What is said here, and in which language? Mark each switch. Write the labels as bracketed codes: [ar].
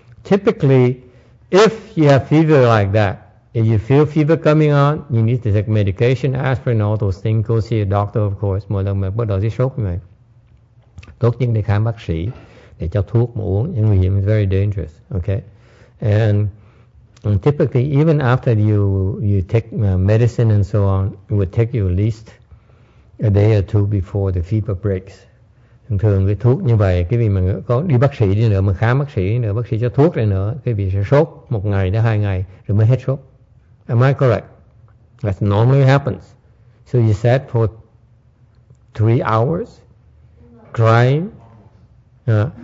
[en] Typically, if you have fever like that, if you feel fever coming on, you need to take medication, aspirin, all those things, go see a doctor, of course. [vi] Mỗi lần mà bắt đầu thấy sốt như vậy, tốt nhất đi khám bác sĩ để cho thuốc mà uống, nhưng nguy hiểm, [en] very dangerous, okay? And typically, even after you take medicine and so on, it would take you at least a day or two before the fever breaks. [vi] Thường thường cái thuốc như vậy, cái vì mà có đi bác sĩ đi nữa, mà khám bác sĩ đi nữa, bác sĩ cho thuốc lại nữa, cái vì sẽ sốt một ngày đến hai ngày rồi mới hết sốt. [en] Am I correct? That normally happens. So you sat for 3 hours. Crying. Yeah.